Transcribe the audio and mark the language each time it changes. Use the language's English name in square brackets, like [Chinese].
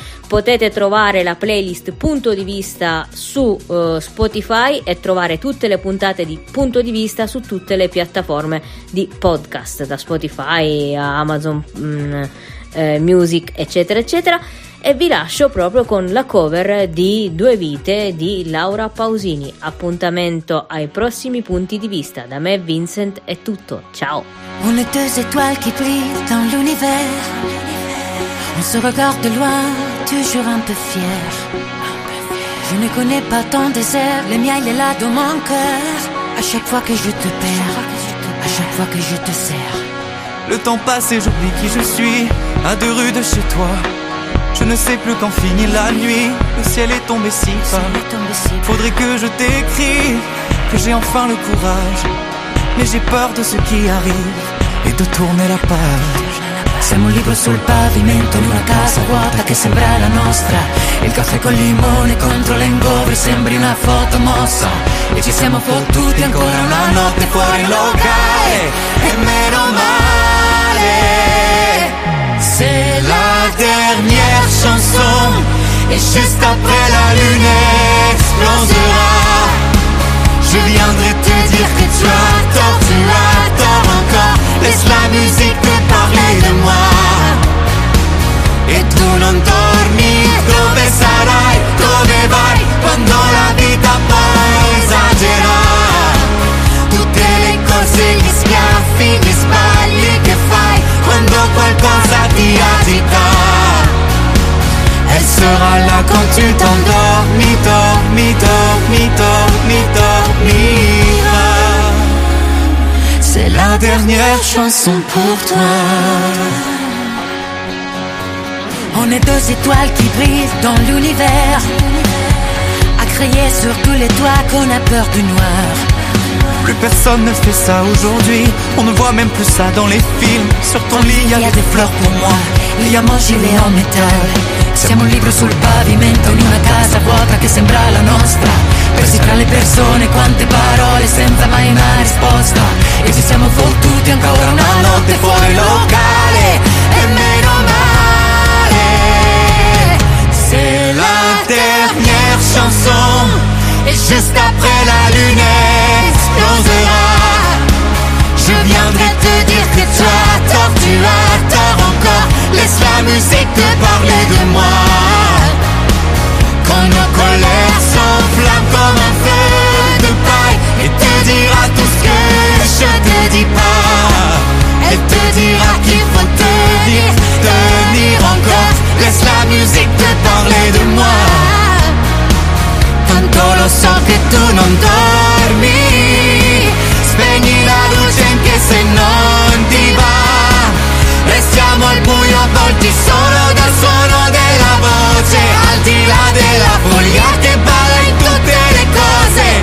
[Italian] Potete trovare la playlist Punto di Vista su Spotify e trovare tutte le puntate di Punto di Vista su tutte le piattaforme di podcast, da Spotify a Amazon Music, eccetera eccetera. E vi lascio proprio con la cover di Due vite di Laura Pausini. Appuntamento ai prossimi Punti di Vista. Da me, Vincent, è tutto. Ciao. [French] On est deux étoiles qui brillent dans l'univers. On se regarde de loin, toujours un peu fier. Je ne connais pas ton désert, le mien il est là dans mon cœur. À chaque fois que je te perds, à chaque fois que je te sers. Le temps passe et j'oublie qui je suis, à deux rues de chez toi. Je ne sais plus quand finit la nuit. Le ciel est tombé si bas. Faudrait que je t'écris, que j'ai enfin le courage. Mais j'ai peur de ce qui arrive et de tourner la page. [Italian] Siamo un libro sul pavimento in una casa vuota che sembra la nostra. Il caffè col limone contro l'engobre sembri una foto mossa. E ci siamo fottuti ancora una notte fuori locale. E meno male se la [French] dernière chanson et juste après la lune explosera. Je viendrai te dire que tu as tort, tu as tort encore. Laisse la musique te parler de moi. [Italian] Et tu non dormi, dove sarai, dove vai, quando la vita poi esagerà. Tutte le cose, gli schiaffi, gli sbagli che fai, quando qualcosa ti agita. [French] Sera là quand tu t'endormis, dormi, dormi, dormi, dormiras. C'est la dernière chanson pour toi. On est deux étoiles qui brillent dans l'univers, à crier sur tous les toits qu'on a peur du noir. Plus personne ne fait ça aujourd'hui. On ne voit même plus ça dans les films. Sur ton lit, y a des fleurs pour moi. Il y a mon gilet en métal. [Italian] Siamo un libro sul pavimento in una casa vuota che sembra la nostra. Persi tra le persone, quante parole senza mai una risposta. E ci siamo fottuti ancora una notte fuori locale. E meno male se la [French] dernière chanson est juste après la lune explosera. Je viendrai te dire que tu as tort, tu as tort encore. Laisse la musique te parler de moi. Quand nos colères s'enflamment comme un feu de paille, elle te dira tout ce que je te dis pas. Elle te dira qu'il faut tenir, tenir encore. Laisse la musique te parler de moi. [Italian] Tanto lo so che tu non dormi. Spegni la luce anche se non ti va. Restiamo al buio avvolti solo dal suono della voce. Al di là della follia che balla in tutte le cose.